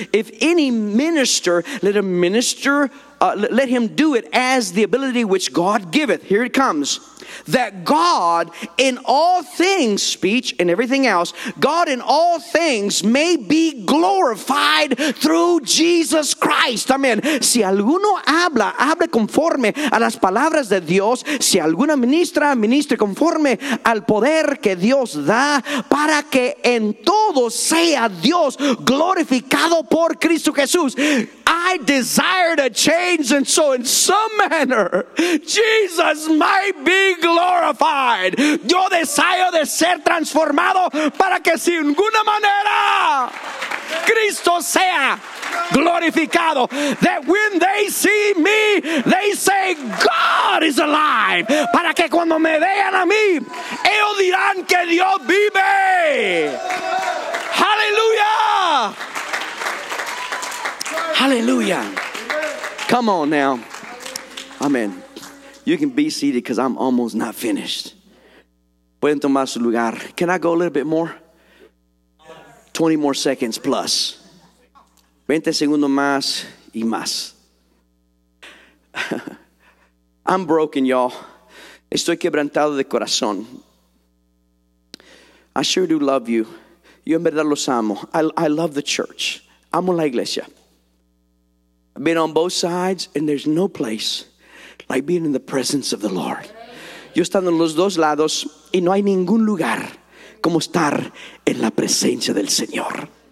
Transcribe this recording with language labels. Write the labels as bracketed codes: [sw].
[en] If any minister, let him minister, let him do it as the ability which God giveth. Here it comes. That God in all things, speech and everything else, God in all things may be glorified through Jesus Christ. Amen. [es] Si alguno habla, hable conforme a las palabras de Dios. Si alguna ministra, ministre conforme al poder que Dios da, para que en todo sea Dios glorificado por Cristo Jesús. [en] I desire to change, and so in some manner, Jesus might be glorified. [es] Yo deseo de ser transformado para que sin ninguna manera Cristo sea glorificado. [en] That when they see me, they say God is alive. [es] Para que cuando me vean a mí, ellos dirán que Dios vive. [en] Hallelujah. Hallelujah. Come on now. Amen. You can be seated because I'm almost not finished. [es] Pueden tomar su lugar. [en] Can I go a little bit more? 20 more seconds plus. [es] 20 segundos más y más. [en] I'm broken, y'all. [es] Estoy quebrantado de corazón. [en] I sure do love you. [es] Yo en verdad los amo. [en] I love the church. [es] Amo la iglesia. [en] I've been on both sides, and there's no place like being in the presence of the Lord. [es] Yo estando en los dos lados, y no hay ningún lugar como estar en la presencia del Señor.